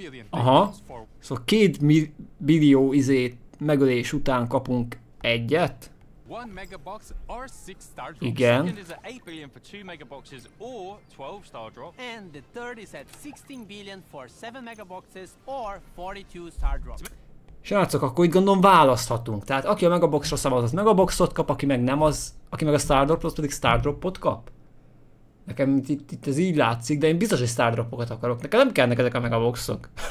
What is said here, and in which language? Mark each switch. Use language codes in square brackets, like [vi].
[hu] Aha, szóval 2 billió izét megölés után kapunk egyet. [en] One megabox or 6 star drops. Igen. Second is at 8 billion for 2 megaboxes or 12 star drops. And the third is at 16 billion for 7 megaboxes or 42 star drops. [hu] Srácok, akkor itt gondolom választhatunk. Tehát aki a megaboxra szavaz, az megaboxot kap, aki meg nem az, aki meg a star drop, az pedig star dropot kap. Nekem itt ez így látszik, de én biztos, hogy Star Dropokat akarok. Nekem nem kellnek ezek a megaboxok.